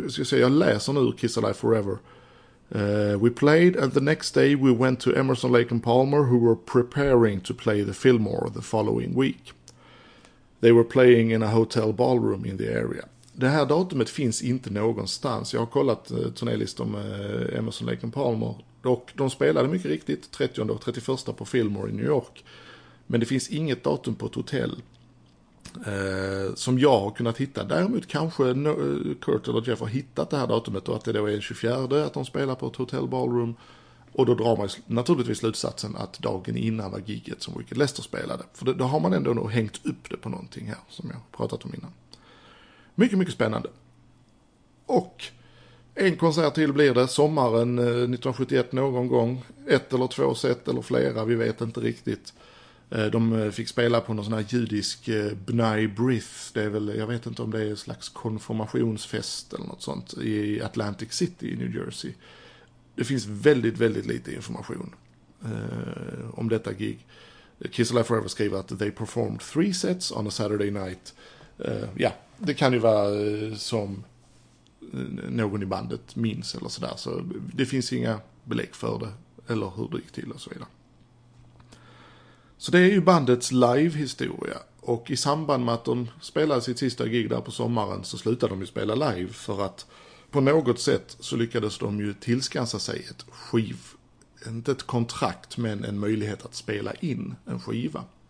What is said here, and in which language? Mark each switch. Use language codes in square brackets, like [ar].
[sv] Jag läser nu Kiss Alive Forever. [en] We played and the next day we went to Emerson, Lake & Palmer, who were preparing to play the Fillmore the following week. They were playing in a hotel ballroom in the area. [sv] Det här datumet finns inte någonstans. Jag har kollat turnélistan med Emerson, Lake & Palmer, och de spelade mycket riktigt 30 och 31 på Fillmore i New York, men det finns inget datum på ett hotell som jag har kunnat hitta. Däremot kanske Kurt eller Jeff har hittat det här datumet, och att det då är 24, att de spelar på ett hotell ballroom, och då drar man naturligtvis slutsatsen att dagen innan var giget som Wicked Lester spelade, för då har man ändå nog hängt upp det på någonting här som jag pratat om innan. Mycket, mycket spännande. Och en konsert till blir det sommaren 1971 någon gång, ett eller två set eller flera, vi vet inte riktigt. De fick spela på någon sån här judisk B'nai B'rith. Det är väl, jag vet inte om det är en slags konfirmationsfest eller något sånt i Atlantic City i New Jersey. Det finns väldigt, väldigt lite information om detta gig. Kiss Alive Forever skriver att [en] they performed 3 sets on a Saturday night. [sv] Ja, det kan ju vara som någon i bandet minns eller sådär. Så det finns inga belägg för det eller hur det gick till och så vidare. Så det är ju bandets live-historia, och i samband med att de spelade sitt sista gig där på sommaren så slutade de ju spela live, för att på något sätt så lyckades de ju tillskansa sig ett skiv, inte ett kontrakt men en möjlighet att spela in en skiva.